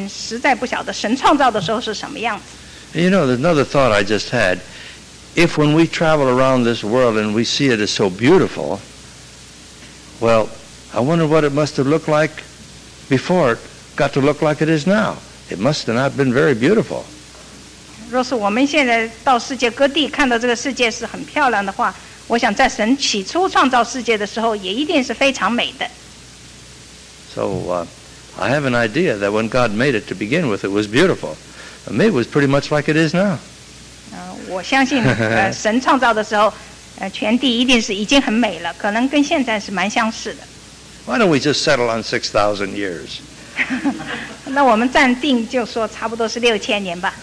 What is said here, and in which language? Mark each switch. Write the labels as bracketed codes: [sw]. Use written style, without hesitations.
[zh] 但是我没有办法相信，好像地球已经造了几百万年了，或者因为我觉得大概神创造的时候，我觉得可能就跟现在相似，因为我们实在不晓得神创造的时候是什么样子。 [en] You know, another thought I just had, if when we travel around this world and we see it as so beautiful, well, I wonder what it must have looked like before it got to look like it is now. It must have not been very beautiful. [zh] 若是我们现在到世界各地看到这个世界是很漂亮的话，我想在神起初创造世界的时候，也一定是非常美的。 [en] So I have an idea that when God made it to begin with, it was beautiful. And maybe it was pretty much like it is now. [zh] 我相信神创造的时候，全地一定是已经很美了，可能跟现在是蛮相似的。 [en] Why don't we just settle on 6,000 years? [zh] 那我们暂定就说差不多是6,000年吧。